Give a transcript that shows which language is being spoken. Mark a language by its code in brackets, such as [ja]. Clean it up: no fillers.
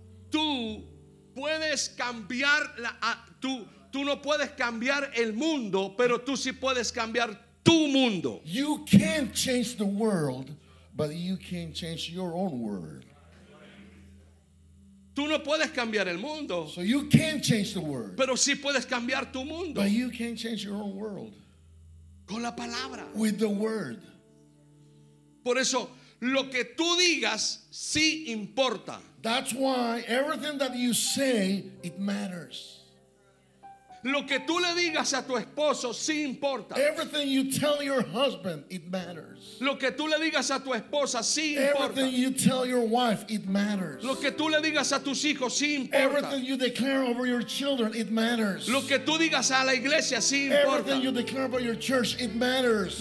[es] Tú puedes cambiar la tú no puedes cambiar el mundo, pero tú sí puedes cambiar tu mundo. [en] You can't change the world, but you can change your own world. [es] Tú no puedes cambiar el mundo. [en] So you can't change the world. [es] Pero sí puedes cambiar tu mundo. [en] But you can't change your own world. [es] Con la palabra. [en] With the word. [es] Por eso lo que tú digas sí importa. [en] That's why everything that you say, it matters. [es] Lo que tú le digas a tu esposo sí importa. [en] Everything you tell your husband, it matters. [es] Lo que tú le digas a tu esposa sí importa. [en] Everything you tell your wife, it matters. [es] Lo que tú le digas a tus hijos sí importa. [en] Everything you declare over your children, it matters. [es] Lo que tú digas a la iglesia sí importa. [en] Everything you declare about your church, it matters.